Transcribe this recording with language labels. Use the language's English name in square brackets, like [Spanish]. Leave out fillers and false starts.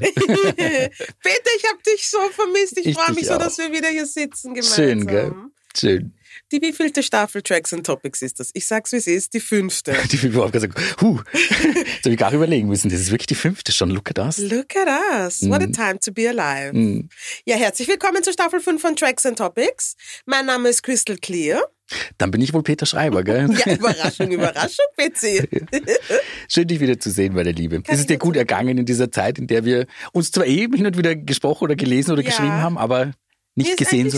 [German] Peter, ich habe dich so vermisst. Ich freue mich so, dass wir wieder hier sitzen gemeinsam. Schön, gell? Schön. Die wievielte Staffel Tracks and Topics ist das? Ich sag's, wie es ist, die fünfte. Die fünfte, habe ich gesagt, huh, jetzt habe ich gar überlegen müssen, das ist wirklich die fünfte schon, [English] look at us. Look at us, what a time to be alive. Mm. [German] Ja, herzlich willkommen zur Staffel 5 von Tracks and Topics. Mein Name ist Crystal Clear. Dann bin ich wohl Peter Schreiber, gell? Ja, Überraschung, Überraschung, Betsy. Schön, dich wieder zu sehen, meine Liebe. Kann es ist dir gut ergangen in dieser Zeit, in der wir uns zwar eben hin und wieder gesprochen oder gelesen oder geschrieben haben, aber nicht gesehen.